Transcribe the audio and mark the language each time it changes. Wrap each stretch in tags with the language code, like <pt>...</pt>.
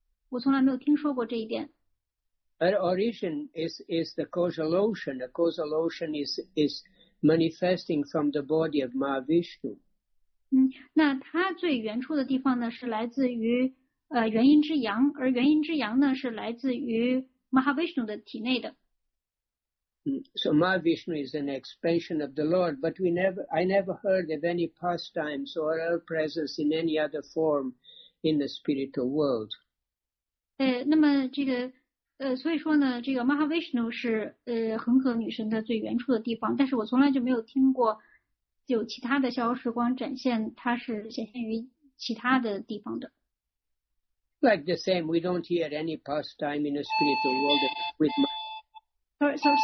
<zh>我从来没有听说过这一点。</zh> <en>Her origin is the causal ocean. The causal ocean is manifesting from the body of Mahavishnu.</en> <zh>那它最原初的地方呢是来自于元婴之阳，而元婴之阳呢是来自于 Mahavishnu 的体内的。</zh> <en>So Mahavishnu is an expansion of the Lord, but I never heard of any pastimes or her presence in any other form in the spiritual world.</en> <zh>那么这个所以说呢，这个 Mahavishnu 是恒河女神的最原初的地方，但是我从来就没有听过有其他的逍遥时光展现，它是显现于其他的地方的。</zh> <en>Like the same, we don't hear any pastime in the spiritual world with Mah.</en>